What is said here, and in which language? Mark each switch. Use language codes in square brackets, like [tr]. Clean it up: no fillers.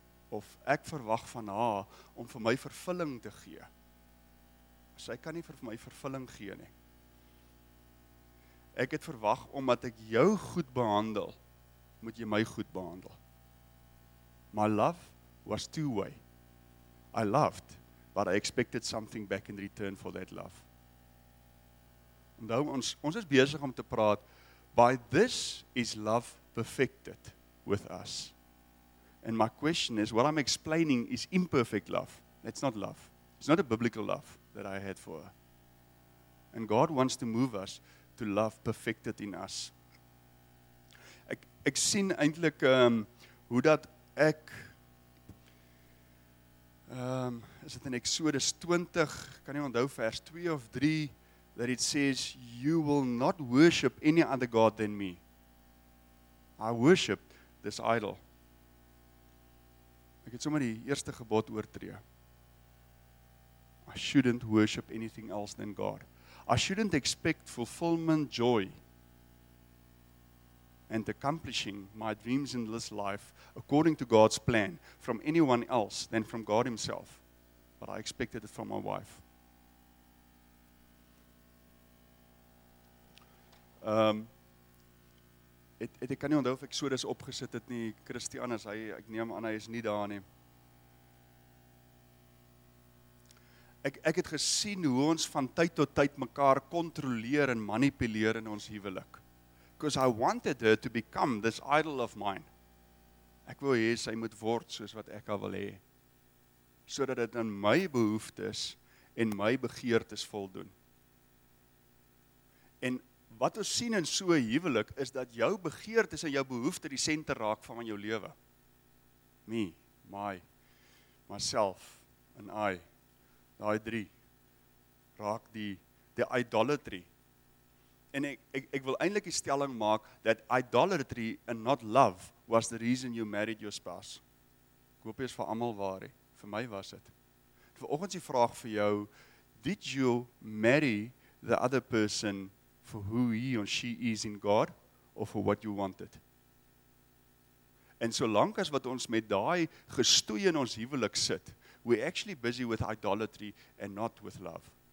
[af] Of ek verwag van haar om vir my vervulling te gee. Sy kan nie vir my vervulling gee nie. Ek het verwag, omdat ek jou goed behandel, moet jy my goed behandel. [en] My love was two way. I loved, but I expected something back in return for that love. [af] Onthou, ons is besig om te praat, [en] by this is love perfected with us. And my question is, what I'm explaining is imperfect love. That's not love. It's not a biblical love that I had for her. And God wants to move us to love perfected in us. [af] Ek sien eintlik hoe dat ek is dit in Exodus 20, kan nie onthou vers 2 of 3, [en] that it says, you will not worship any other god than me. I worship this idol. [af] Ek het sommer die eerste gebod oortree. [en] I shouldn't worship anything else than God. I shouldn't expect fulfillment, joy, and accomplishing my dreams in this life according to God's plan from anyone else than from God himself. But I expected it from my wife. [af] Ek kan nie onthou of ek so dis opgesit het nie, Christian, as hy, ek neem aan, hy is nie daar nie. Ek het gesien hoe ons van tyd tot tyd mekaar kontroleer en manipuleer in ons huwelik. [en] because I wanted her to become this idol of mine. [af] Ek wil hê sy moet word soos wat ek haar wil hê, sodat dit aan my behoeftes en my begeertes voldoen. En wat ons sien in so 'n huwelik is dat jou begeertes en jou behoeftes die sentrum raak van jou lewe. [en] Me, my, myself en I. [af] Daai drie raak die idolatry. En ek wil eintlik die stelling maak dat [en] idolatry and not love was the reason you married your spouse. [af] Ek hoop dit is vir almal waar hè. Vir my was dit. Vanoggend se vraag vir jou, [en] did you marry the other person for who he or she is in God or for what you wanted? [af] En solank as wat ons met daai gestoei in ons huwelik sit, [en] we actually busy with idolatry and not with love.